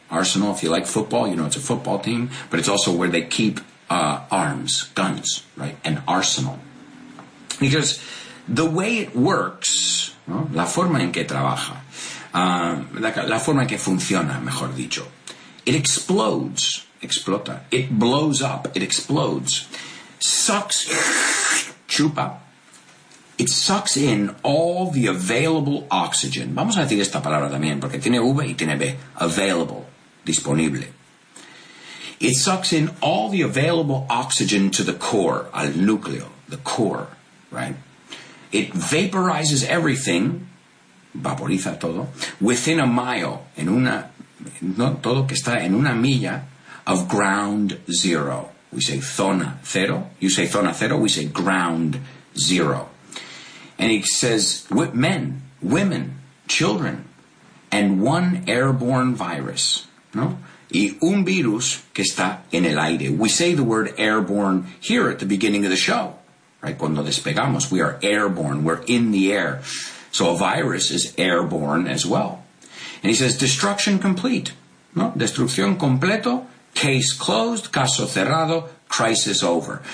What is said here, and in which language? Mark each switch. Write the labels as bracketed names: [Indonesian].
[English] Arsenal, if you like football, you know it's a football team, but it's also where they keep arms, guns, right? An arsenal. Because the way it works, ¿no? [Spanish] La forma en que trabaja, la forma en que funciona, mejor dicho, [English] it explodes, [Spanish] explota, [English] it blows up, it explodes, sucks, [Spanish] chupa. [English] It sucks in all the available oxygen. [Spanish] Vamos a decir esta palabra también, porque tiene V y tiene B. [English] Available, disponible. It sucks in all the available oxygen to the core, [Spanish] al núcleo, [English] the core, right? It vaporizes everything, [Spanish] vaporiza todo, [English] within a mile, [Spanish] en una, no todo que está en una milla, [English] of ground zero. We say [Spanish] zona cero. [English] You say [Spanish] zona cero, [English] we say ground zero. And he says, women, children, and one airborne virus, no? [Spanish] Y un virus que está en el aire. [English] We say the word airborne here at the beginning of the show, right? [Spanish] Cuando despegamos, [English] we are airborne, we're in the air. So a virus is airborne as well. And he says, destruction complete, no? [Spanish] Destrucción completo, [English] case closed, [Spanish] caso cerrado, [English] crisis over.